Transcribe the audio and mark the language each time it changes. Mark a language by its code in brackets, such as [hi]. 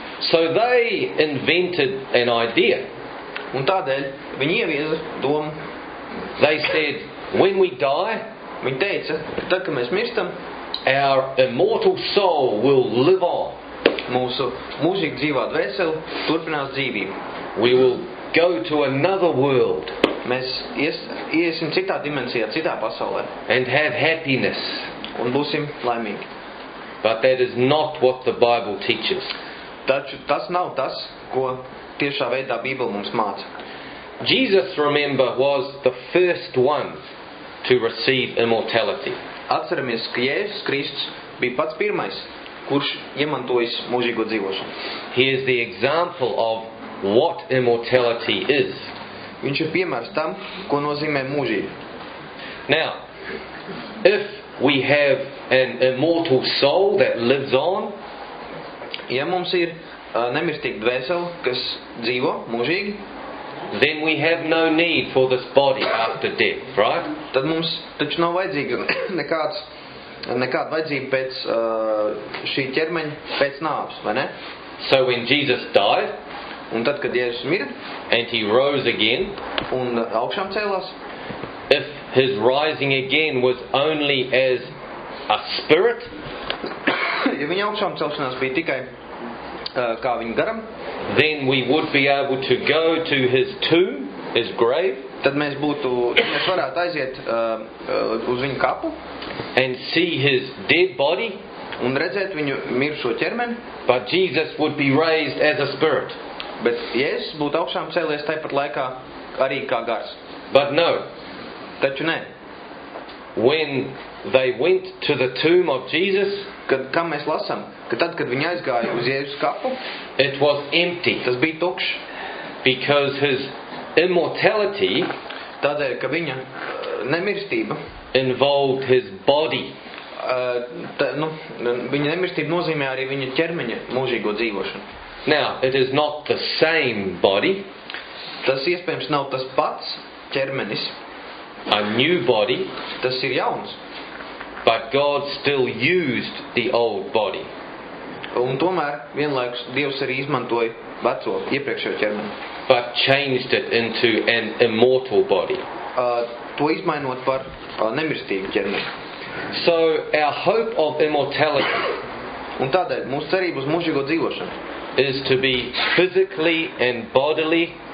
[en] So they invented an idea. [lv] Un tādēļ viņi ievieza domu. [en] They said, when we die, [lv] viņi teica, ka tad, kad mēs mirstam, [en] our immortal soul will live on. [lv] Mūsu mūžīgi dzīvā dvēsele turpinās dzīvību. [en] We will go to another world. [lv] Mēs iesim citā dimensijā, citā pasaulē. [en] And have happiness. [lv] Un būsim laimīgi. [en] But that is not what the Bible teaches. [lv] Taču tas nav tas, ko tiešā veidā Bībele mums māca. [en] Jesus, remember, was the first one to receive immortality. [lv] Atceramies, ka Jēzus Kristus bija pats pirmais, kurš iemantojis mūžīgo dzīvošanu. [en] He is the example of what immortality is. [lv] Viņš ir piemērs tam, ko nozīmē mūžība. [en] Now, if we have an immortal soul that lives on, [lv] ja mums ir nemirstīga dvēsele, kas dzīvo mūžīgi, [en] then we have no need for this body after death, right? [lv] Tad mums taču nav vajadzīga nekāda vajadzība pēc šī ķermeņa pēc nāves, vai ne? [en] So when Jesus died, [lv] un tad, kad Jēzus mira, [en] and he rose again, [lv] un augšām cēlās, [en] if his rising again was only as a spirit, [lv] ja viņa augšām celšanās bija tikai kā viņa garam, [en] then we would be able to go to his tomb, his grave, [lv] tad mēs varētu aiziet uz viņa kapu, [en] and see his dead body, [lv] un redzēt viņu miršo ķermeni, [en] but Jesus would be raised as a spirit. [lv] Bet Jēzus būtu augšām cēlies tāpat laikā arī kā gars. [en] But no. [lv] Taču ne. [en] When they went to the tomb of Jesus, [lv] kam mēs lasam, ka tad, kad viņi aizgāja uz Jēzus kapu, [en] it was empty. [lv] Tas bija tukšs. [en] Because his immortality, [lv] tādēļ, ka viņa nemirstība, [en] involved his body. [lv] Viņa nemirstība nozīmē arī viņa ķermeņa mūžīgo dzīvošanu. [en] Now, it is not the same body. [lv] Tas iespējams nav tas pats ķermenis. [en] A new body. [lv] Tas ir jauns. [en] But God still used the old body. [lv] Un tomēr vienlaikus Dievs arī izmantoja veco, iepriekšējo ķermeni. [en] But changed it into an immortal body. [lv] To izmainot par nemirstīgu ķermeni. [en] So, our hope of immortality. [lv] Un tādēļ mūsu cerība uz mūžīgo dzīvošanu [en] is to be physically and bodily